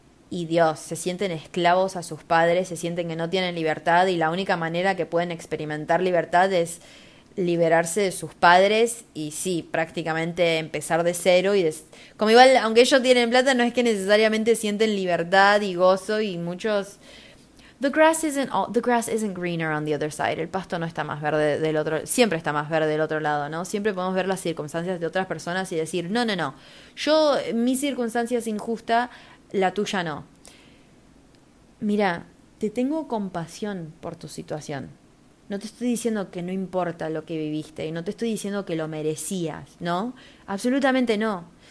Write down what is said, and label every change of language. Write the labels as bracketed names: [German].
[Spanish] Y Dios, se sienten esclavos a sus padres, se sienten que no tienen libertad y la única manera que pueden experimentar libertad es liberarse de sus padres y sí, prácticamente empezar de cero. Como igual, aunque ellos tienen plata, no es que necesariamente sienten libertad y gozo y muchos... [English] the grass isn't greener on the other side. [Spanish] El pasto no está más verde del otro... Siempre está más verde del otro lado, ¿no? Siempre podemos ver las circunstancias de otras personas y decir, no. Yo, mi circunstancia es injusta, la tuya no. Mira, te tengo compasión por tu situación. No te estoy diciendo que no importa lo que viviste. Y no te estoy diciendo que lo merecías, ¿no? Absolutamente no.